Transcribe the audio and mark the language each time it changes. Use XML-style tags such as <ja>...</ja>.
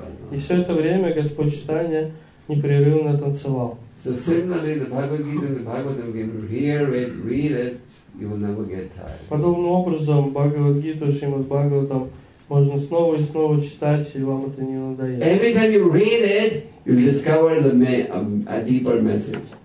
<ru>И все это время Господь Чайтанья непрерывно танцевал.</ru> <en>So similarly, the Bhagavad Gita and the Bhagavatam, if you hear it, read it, you will never get tired.</en> <ru>Подобным образом Бхагавад Гиту и Шримад Бхагаватам можно снова и снова читать, и вам это не надоест.</ru> <en>Every time you read it, you discover a deeper message.</en>